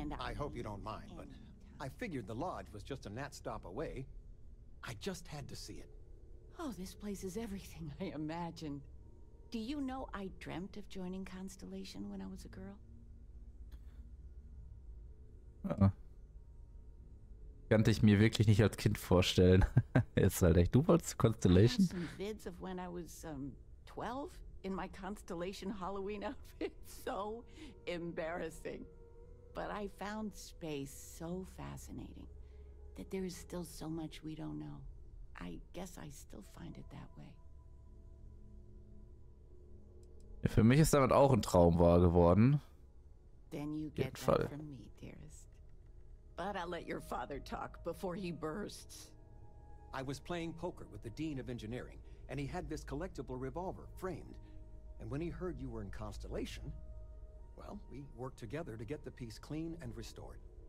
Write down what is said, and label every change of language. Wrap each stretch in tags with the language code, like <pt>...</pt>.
<en>I hope you don't mind, but I figured the lodge was just a nat stop away. I just had to see it. Oh, this place is everything I imagined. Do you know I dreamt of joining Constellation when I was a girl?</en> <de>Könnte ich mir wirklich nicht als Kind vorstellen. Ist halt echt. Du wolltest Constellation?</de> <en>I have some vids of when I was 12 in my Constellation Halloween outfit. So embarrassing. But I found space so fascinating that there is still so much we don't know. I guess I still find it that way.</en> <de>Für mich ist damit auch ein Traum wahr geworden.</de> <en>Then you get that from me, dearest. But I'll let your father talk before he bursts. I was playing poker with the Dean of Engineering, and he had this collectible revolver framed. And when he heard you were in Constellation, well, we worked together to get the piece clean and restored.</en>